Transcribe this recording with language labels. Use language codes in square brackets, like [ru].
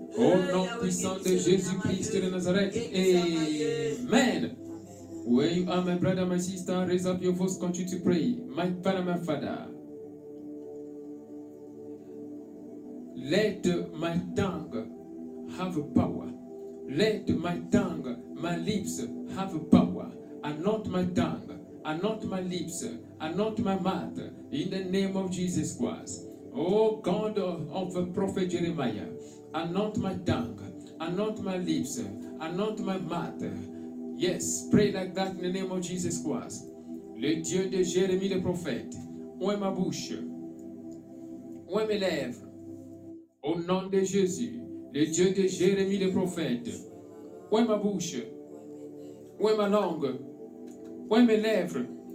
[fr] Au nom puissant de Jésus Christ de Nazareth. Amen. [en] Where you are, my brother, my sister, raise up your voice, continue to pray. My father, my father. Let my tongue have power. Let my tongue, my lips have power. Anoint my tongue, anoint my lips, anoint my mouth in the name of Jesus Christ. Oh God of prophet Jeremiah, anoint my tongue, anoint my lips, anoint my mouth. Yes, pray like that in the name of Jesus Christ. [fr] Le Dieu de Jérémie le prophète, ouvre ma bouche, ouvre mes lèvres. Au nom de Jésus, le Dieu de Jérémie le prophète, ouvre ma bouche, ouvre ma langue, ouvre mes lèvres.